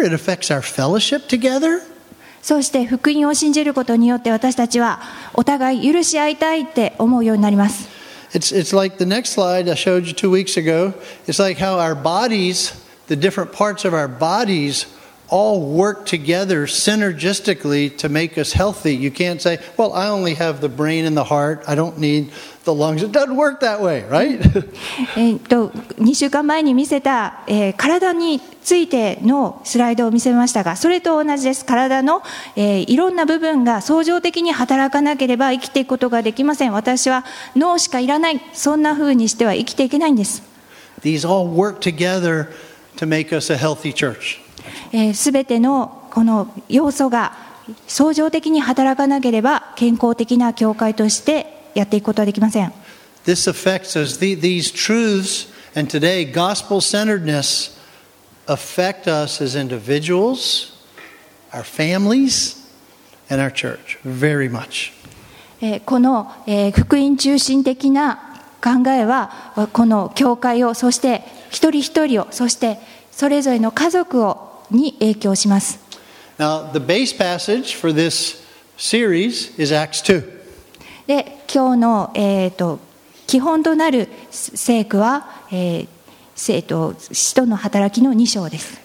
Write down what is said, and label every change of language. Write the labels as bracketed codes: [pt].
[en] It affects our fellowship together. [ja] そして福音を信じることによって私たちはお互い許し合いたいって思うようになります。 [en] It's like the next slide I showed you 2 weeks ago. It's like how our bodies, the different parts of our bodies, all work together synergistically to make us healthy. You can't say, well, I only have the brain and the heart. I don't need... The lungs. It doesn't work that way, right? [ja] 2週間前に見せた、体についてのスライドを見せましたが、それと同じです。体の、いろんな部分が相乗的に働かなければ生きていくことができません。私は脳しかいらない。そんな風にしては生きていけないんです。 [en] These all work together to make us a healthy church. [ja] 全てのこの要素が相乗的に働かなければ健康的な教会としてやっていくことはできません。 [en] This affects us. These truths and today gospel centeredness affect us as individuals, our families, and our church very much. [ja] この福音中心的な考えはこの教会を、そして一人一人を、そしてそれぞれの家族をに影響します。 [en] Now the base passage for this series is Acts 2. [ja] で今日の、基本となる聖句は、使徒の働きの2章です。